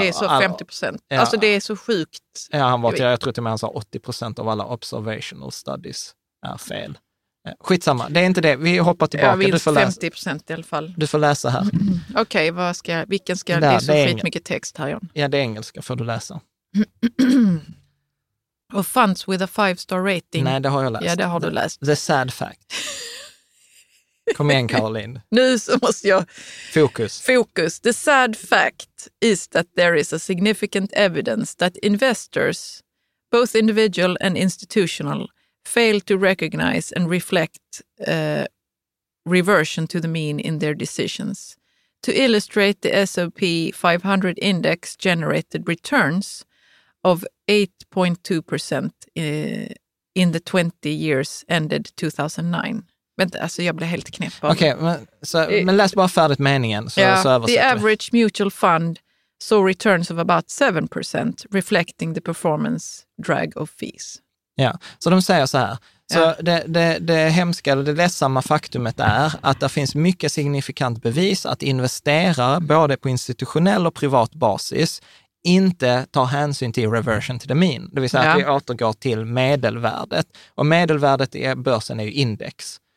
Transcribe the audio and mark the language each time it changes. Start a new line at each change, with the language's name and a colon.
Swedish: det är så 50%. Ja. Alltså det är så sjukt. Ja, han var, jag tror till och med att 80% av alla
English: observational studies
Swedish: är fel. Skitsamma, det är inte det. Vi hoppar tillbaka. Jag vill 50% i alla fall. Du får läsa här. Okej, okay, vilken ska jag... Det är så skitmycket text här, John. Ja, det är engelska. Får du läsa. Och
English: funds with a 5-star rating.
Swedish: Nej, det har jag läst. Ja, det har du läst.
English: The sad fact.
Swedish: Kom igen,
English: Caroline.
Swedish: Nu så måste jag... Fokus. Fokus.
English: The sad fact is that there is a significant evidence that investors, both individual and institutional, fail to recognize and reflect reversion to the mean in their decisions. To illustrate, the S&P 500 index generated returns of 8.2% in the 20 years ended 2009.
Swedish: Vänta, alltså jag blev helt knäpp. Okej, okay, men läs bara färdigt meningen. Så, yeah, så översätter
English: the average
Swedish: vi.
English: Mutual fund saw returns of about 7%, reflecting the performance drag of fees.
Swedish: Ja, yeah, så de säger så här. Så yeah. det hemska eller det ledsamma faktumet är att det finns mycket signifikant bevis att investerare, både på institutionell och privat basis, inte ta hänsyn till
English: reversion to the mean.
Swedish: Det vill säga att vi återgår till medelvärdet. Och medelvärdet i börsen är ju index.